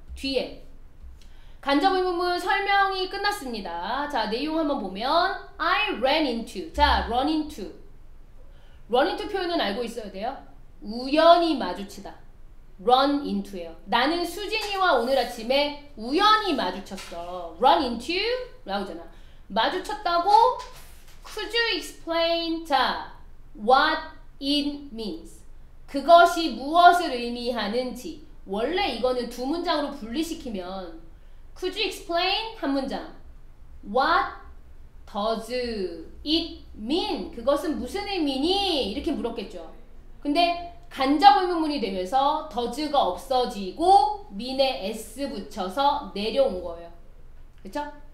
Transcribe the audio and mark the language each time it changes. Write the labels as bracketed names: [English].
[Korean] 뒤에 간접 의문문 설명이 끝났습니다. 자, 내용 한번 보면 [English] I ran into. [Korean] 자, run into. run into 표현은 알고 있어야 돼요. 우연히 마주치다. run into예요. 나는 수진이와 오늘 아침에 우연히 마주쳤어. run into 라고잖아. 마주쳤다고 [English] could you explain 자, what it means. [Korean] 그것이 무엇을 의미하는지. 원래 이거는 두 문장으로 분리시키면 could you explain 한 문장. [English] what does it mean? [Korean] 그것은 무슨 의미니? 이렇게 물었겠죠. 근데 간접 의문문이 되면서 does가 없어지고 mean에 s 붙여서 내려온 거예요. 그쵸?